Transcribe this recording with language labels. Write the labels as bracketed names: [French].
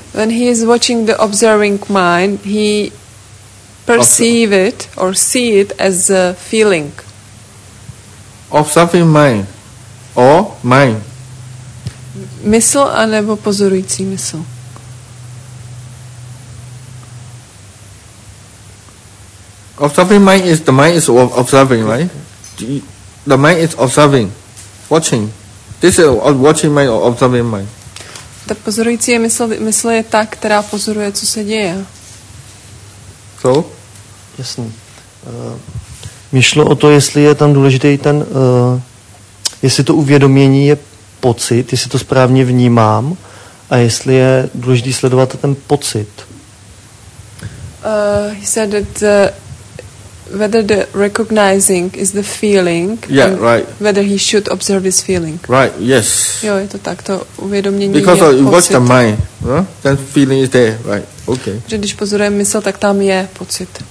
[English] When he is watching the observing mind, he perceive it or see it as a feeling. Observing mind. O mind. [Czech] Mysl anebo pozorující mysl? [English] Observing mind is the mind is observing, right? The mind is observing, watching. This is watching mind or observing mind. [Czech] Ta pozorující mysl je ta, která pozoruje, co se děje. Co? Jasný. Mi šlo o to, jestli je tam důležitý ten... jestli to uvědomění je pocit, jestli to správně vnímám a jestli je důležitý sledovat ten pocit. [English] He said that whether the recognizing is the feeling, yeah, right. Whether he should observe his feeling. Right, yes. [Czech] Jo, je to tak, to uvědomění [English] because [Czech] je pocit. [English] Because watch the mind, huh? That feeling is there, right, okay. [Czech] Že když pozorujeme mysl, tak tam je pocit.